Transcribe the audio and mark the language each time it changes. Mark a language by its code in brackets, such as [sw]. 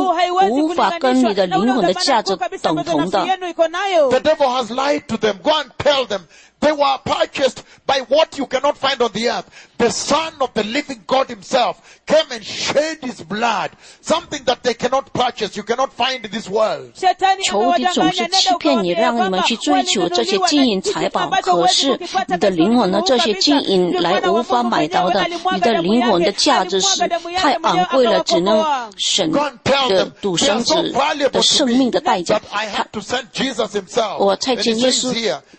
[zh] 这地上的财富无法跟你的灵魂的价值等同的。 [en] The devil has lied to them. Go and tell them. They were purchased by what you cannot find on the earth. The Son of the living God himself came and shed his blood. Something that they cannot purchase, you cannot find in this world. [zh] 仇敌总是欺骗你，让你们去追求这些金银财宝。可是你的灵魂呢？这些金银来无法买到的。你的灵魂的价值是太昂贵了，只能省得赌生子的生命的代价。我差遣耶稣。